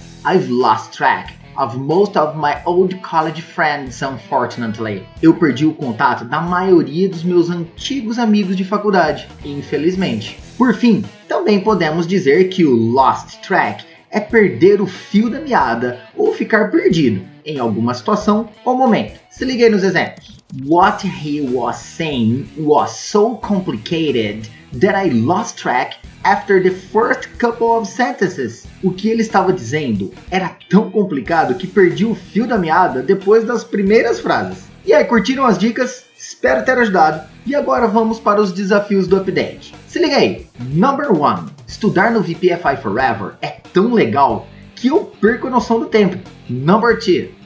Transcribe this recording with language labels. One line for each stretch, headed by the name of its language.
English: I've lost track of most of my old college friends, unfortunately.
Portuguese: Eu perdi o contato da maioria dos meus antigos amigos de faculdade, infelizmente. Por fim, também podemos dizer que o lost track é perder o fio da meada ou ficar perdido. em alguma situação ou momento. Se liguei nos exemplos.
English: What he was saying was so complicated that I lost track after the first couple of sentences.
Portuguese: O que ele estava dizendo era tão complicado que perdi o fio da meada depois das primeiras frases. E aí, curtiram as dicas? Espero ter ajudado. E agora vamos para os desafios do update. Se liga aí.
English: Number 1.
Portuguese: Estudar no VPFI Forever é tão legal que eu perco a noção do tempo.
English: Number 2.